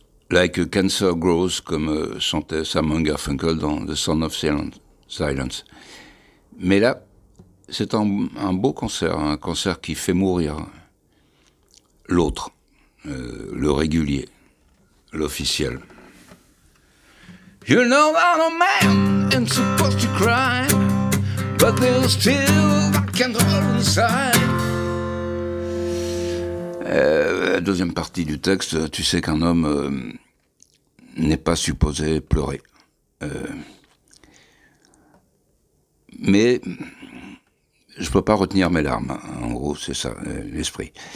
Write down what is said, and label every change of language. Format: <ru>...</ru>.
<en>Like a cancer grows,</en> <fr>comme chantait Simon Garfunkel dans The Sound of Silence. Mais là, c'est un beau cancer, un cancer qui fait mourir l'autre, le régulier, l'officiel.</fr> <en>You know that a man ain't supposed to cry, but there's still a candle inside.</en> <fr>Deuxième partie du texte, tu sais qu'un homme... n'est pas supposé pleurer. Mais je peux pas retenir mes larmes. En gros, c'est ça, l'esprit.</fr>